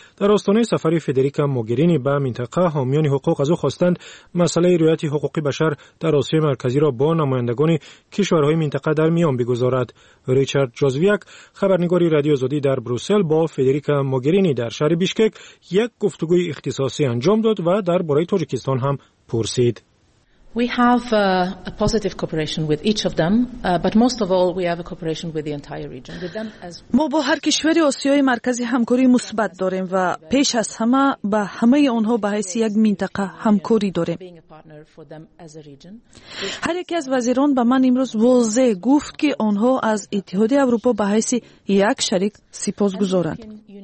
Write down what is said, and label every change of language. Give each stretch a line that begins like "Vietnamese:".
Persian: در آستانه سفر فدریکا موگرینی به منطقه حامیان حقوق از او خواستند مسئله رعایت حقوق بشر در آسیای مرکزی را با نمایندگان کشورهای منطقه در میان بگذارد. ریچارد جوزویک خبرنگاری رادیو آزادی در بروسل با فدریکا موگرینی در شهر بیشکک یک گفتگوی اختصاصی انجام داد و درباره تاجیکستان هم پرسید.
English: We have a positive cooperation with each of them, but most of all we have a cooperation with the entire region. With them as
Persian: ما با هر کشور آسیای مرکزی همکاری مثبت داریم و پیش از همه با همه آنها به حیث یک منطقه همکاری داریم. هر یک از وزیران به من امروز واضح گفت که آنها از اتحادیه اروپا به حیث یک شریک سپاسگزارند.